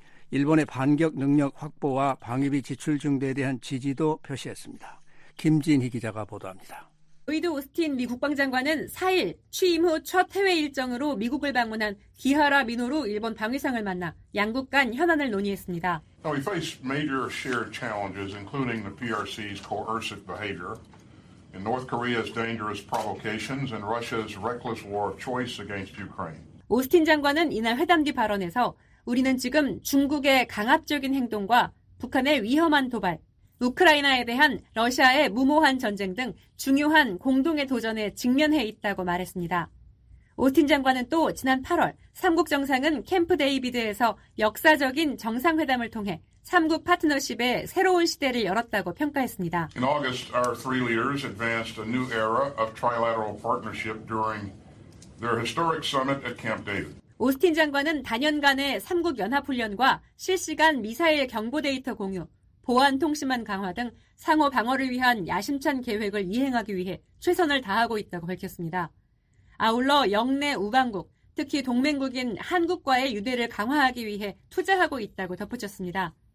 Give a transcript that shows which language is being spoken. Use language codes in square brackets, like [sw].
[ko] 일본의 반격 능력 확보와 방위비 지출 증대에 대한 지지도 표시했습니다. 김진희 기자가 보도합니다. 로이드 오스틴 미 국방장관은 4일 취임 후 첫 해외 일정으로 미국을 방문한 기하라 미노루 일본 방위상을 만나 양국 간 현안을 논의했습니다. [en] We face major shared challenges, including the PRC's coercive behavior, and North Korea's dangerous provocations, and Russia's reckless war of choice against Ukraine. [ko] 오스틴 장관은 이날 회담 뒤 발언에서 우리는 지금 중국의 강압적인 행동과 북한의 위험한 도발, 우크라이나에 대한 러시아의 무모한 전쟁 등 중요한 공동의 도전에 직면해 있다고 말했습니다. 오스틴 장관은 또 지난 8월 3국 정상은 캠프 데이비드에서 역사적인 정상회담을 통해 3국 파트너십의 새로운 시대를 열었다고 평가했습니다. [en] In August, our three leaders advanced a new era of trilateral partnership during their historic summit at Camp David. [ko] 오스틴 장관은 단연간의 3국 연합훈련과 실시간 미사일 경보 데이터 공유, 보안 통신망 강화 등 상호 방어를 위한 야심찬 계획을 이행하기 위해 최선을 다하고 있다고 밝혔습니다. 아울러 영내 우방국, 특히 동맹국인 한국과의 유대를 강화하기 위해 투자하고 있다고 덧붙였습니다.